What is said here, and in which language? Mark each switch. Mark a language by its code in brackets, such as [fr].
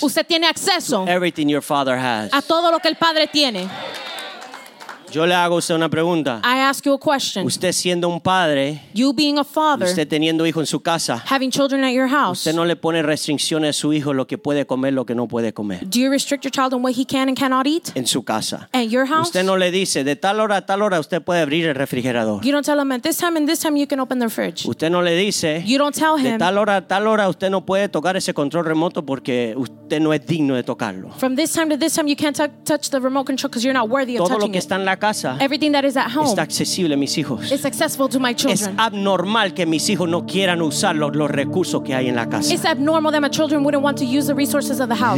[es] Usted tiene acceso [en] to everything your father has. [es] A todo lo que el padre tiene. Yo le hago a usted una pregunta. [en] I ask you a question. [es] Usted siendo un padre, [en] you being a father, [es] usted teniendo hijo en su casa, [en] having children at your house, [es] usted no le pone restricciones a su hijo lo que puede comer, lo que no puede comer. [en] Do you restrict your child on what he can and cannot eat? [es] En su casa. [en] At your house. [es] Usted no le dice de tal hora usted puede abrir el refrigerador. [en] You don't tell him at this time and this time you can open the fridge. [es] Usted no le dice. [en] You don't tell him. [es] De tal hora usted no puede tocar ese control remoto porque usted no es digno de tocarlo. [en] From this time to this time you can't touch the remote control because you're not worthy of [es] todo [en] touching [es] lo que [en] it. [es] Está en la casa, [en] everything that is at home [es] está accesible a mis hijos. [en] It's accessible to my children. [es] Es abnormal que mis hijos no quieran usar los recursos que hay en la casa. [en] It's abnormal that my children wouldn't want to use the resources of the house.